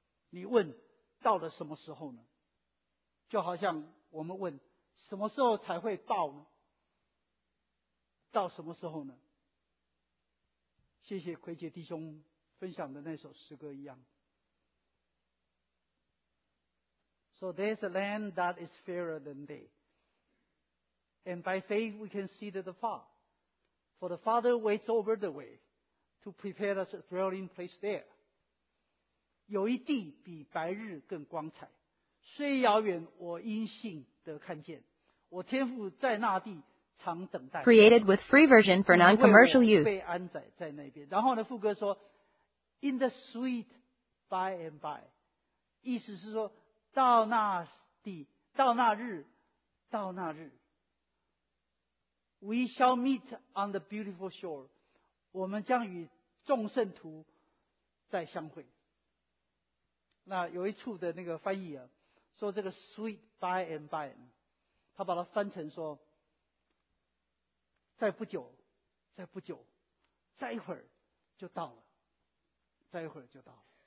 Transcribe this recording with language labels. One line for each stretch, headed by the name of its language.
Chinese: 你问到了什么时候呢？就好像我们问什么时候才会报呢？到什么时候呢？谢谢奎杰弟兄分享的那首诗歌一样。
English: So there's a land that is fairer than day, and by faith we can see that afar, for the Father waits over the way to prepare us a dwelling place there.
Chinese: 有一地比白日更光彩，虽遥远，我因信得看见。我天父在那地常等待。 Created with free version for non-commercial use。被安载在那边。然后呢，副歌说 ，
English: In the sweet by and by，
Chinese: 意思是说，到那地，到那日，到那日 ，
English: We shall meet on the beautiful shore。
Chinese: 我们将与众圣徒再相会。那有一处的那个翻译啊，说这个
English: sweet by and by，
Chinese: 他把它翻成说，再不久，再不久，再一会儿就到了，再一会儿就到了。